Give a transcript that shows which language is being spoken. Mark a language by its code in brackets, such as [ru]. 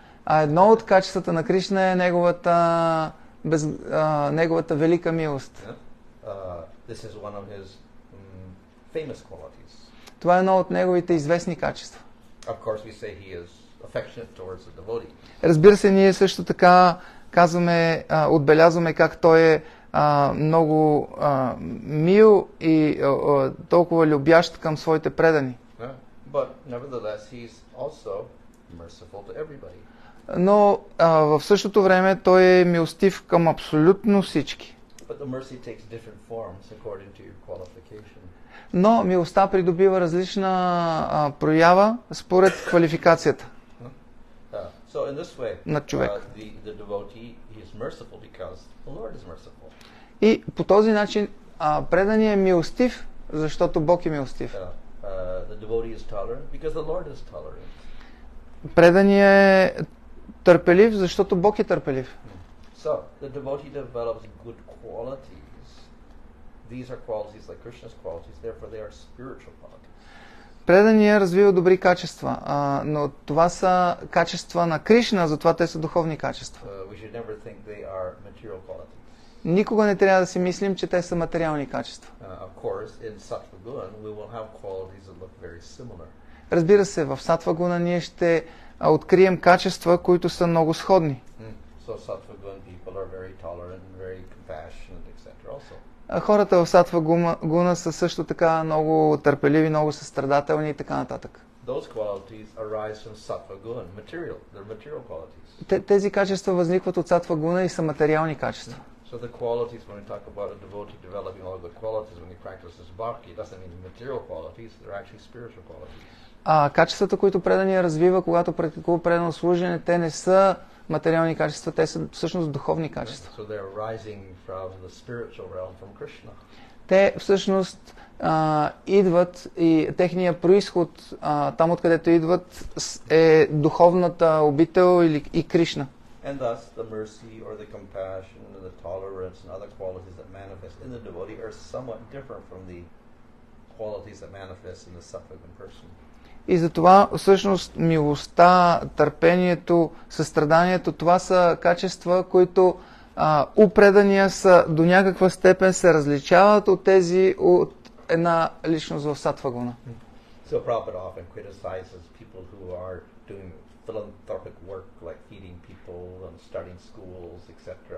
[bg] А едно от качествата на Кришна е неговата велика милост. [en] This is one of his famous qualities. [bg] Това е едно от неговите известни качества. [en] Of course we say he is affectionate towards the devotee. [bg] Разбира се, ние също така казваме, отбелязваме как той е много мил и толкова любящ към своите предани. [en] But nevertheless he is also merciful to everybody. [bg] Но в същото време той е милостив към абсолютно всички. [en] But the mercy takes different forms according to your qualification. [bg] Но милостта придобива различна проява според квалификацията. [en] So in this way, [bg] на човек. [en] The devotee he is merciful because the Lord is merciful. [bg] И по този начин преданият е милостив, защото Бог е милостив. [en] The devotee is tolerant because the Lord is tolerant. [bg] Преданият е търпелив, защото Бог е търпелив. [en] So, the devotee develops good qualities. These are qualities like Krishna's qualities, therefore they are spiritual qualities. [bg] Предания развива добри качества, но това са качества на Кришна, затова те са духовни качества. [en] We should never think they are material qualities. [bg] Никога не трябва да си мислим, че те са материални качества. [en] Of course, in Sattva-guna, we will have qualities that look very similar. [bg] Разбира се, в Сатва-гуна ние ще открием качества, които са много сходни. [en] So Sattva-guna people are very tolerant, very compassionate, etc. also. [bg] Хората в Сатва-гуна са също така много търпеливи, много състрадателни и така нататък. [en] Those qualities arise from Sattva-guna, material. They're material qualities. [bg] Тези качества възникват от Сатва-гуна и са материални качества. [en] So the qualities when we talk about a devotee developing all the qualities when he practices bhakti doesn't mean material qualities, they're actually spiritual qualities. [bg] Качествата, които предания развива, когато практикува предано служене, те не са материални качества, те са всъщност духовни качества. [en] So they're arising from the spiritual realm from Krishna. [bg] Те всъщност идват и техния произход там откъдето идват е духовната обител или и Кришна. [en] And thus the mercy or the compassion or the tolerance and other qualities that manifest in the devotee are somewhat different from the qualities that manifest in the suffering person. [bg] И затова всъщност милостта, търпението, състраданието, това са качества, които у предания са до някаква степен се различават от тези от една личност в сатва-гуна. [en] So Prabhupada often criticizes people who are doing philanthropic work like feeding people and starting schools, etc.